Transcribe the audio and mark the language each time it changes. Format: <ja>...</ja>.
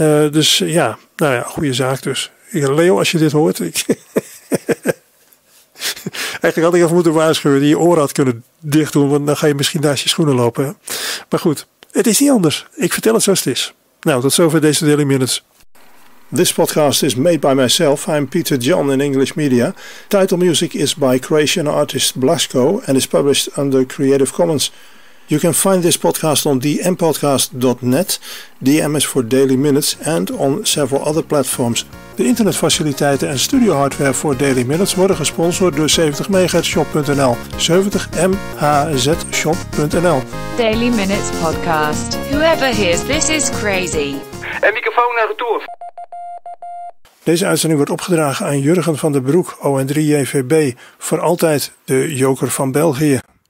<nl>Dus ja, nou ja, goede zaak dus. Leo, als je dit hoort. Eigenlijk had ik even moeten waarschuwen, die je oren had kunnen dichtdoen, want dan ga je misschien naast je schoenen lopen. Maar goed, het is niet anders. Ik vertel het zoals het is. Nou, tot zover deze Daily Minutes.</nl> <en>This podcast is made by myself. I'm Peter John in English Media. Title music is by Croatian artist Blasco and is published under Creative Commons. You can find this podcast on dmpodcast.net, DM is for Daily Minutes, and on several other platforms.</en> <nl>De internetfaciliteiten en studio hardware voor Daily Minutes worden gesponsord door 70MHzShop.nl. 70MHzShop.nl. Daily Minutes Podcast.</nl> <en>Whoever hears this is crazy.</en> <nl>En microfoon naar retour. Deze uitzending wordt opgedragen aan Jurgen van den Broek, ON3JVB. Voor altijd de Joker van België.</nl>